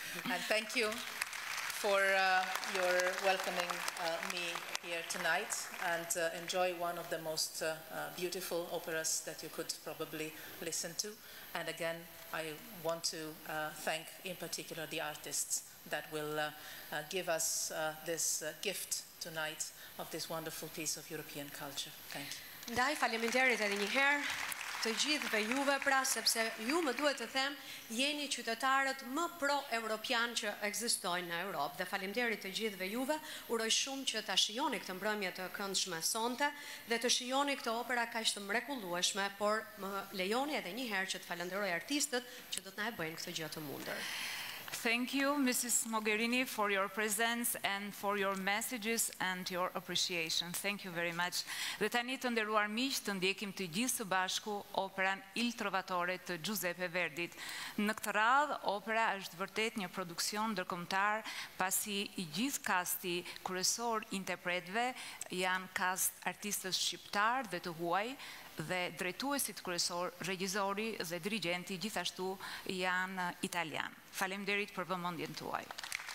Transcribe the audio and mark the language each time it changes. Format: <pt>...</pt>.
<en>And thank you for your welcoming me here tonight, and enjoy one of the most beautiful operas that you could probably listen to. And again, I want to thank in particular the artists that will give us this gift tonight of this wonderful piece of European culture. Thank you.</en> <sq>Ndaj faleminderit edhe një herë të gjithëve juve, pra sepse ju më duhet të them jeni qytetarët më pro-europian që ekzistojnë në Europë. Dhe faleminderit të gjithëve juve, uroj shumë që ta shijoni këtë mbrëmje të këndshme sonte dhe të shijoni këtë opera kaq të mrekullueshme, por më lejoni edhe një herë që të falenderoj artistët që do të na e bëjnë këtë gjë të mundur.</sq> <en>Thank you, Mrs. Mogherini, for your presence and for your messages and your appreciation. Thank you very much.</en> <sq>Dhe tani të nderuar miq, të ndjekim të gjithë së bashku operan Il Trovatore të Giuseppe Verdit. Në këtë radhë, opera është vërtet një produksion ndërkombëtar, pasi i gjithë kasti kryesor interpretëve janë kast artistës shqiptar dhe të huaj, dhe drejtuesit kryesor, regjizori dhe dirigjenti gjithashtu janë italian. Faleminderit për vëmendjen tuaj.</sq>